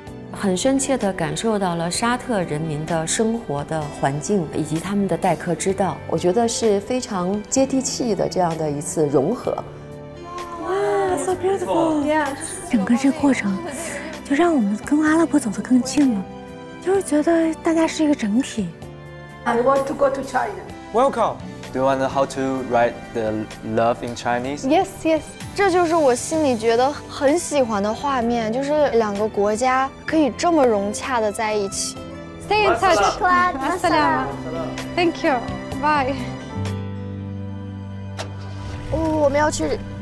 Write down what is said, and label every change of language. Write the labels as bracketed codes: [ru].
[zh] 很深切地感受到了沙特人民的生活的环境以及他们的待客之道，我觉得是非常接地气的这样的一次融合。 [en] 哇、wow, so beautiful! Yeah. [zh] 整个这个过程，就让我们跟阿拉伯走得更近了，就是觉得大家是一个整体。 [en] I want to go to China. Welcome. Do you want to how to write the love in Chinese? Yes, yes. [zh] 这就是我心里觉得很喜欢的画面，就是两个国家可以这么融洽的在一起。 [en] Stay in touch, Clara. Assalam. Thank you. Bye. [zh] 哦，我们要去，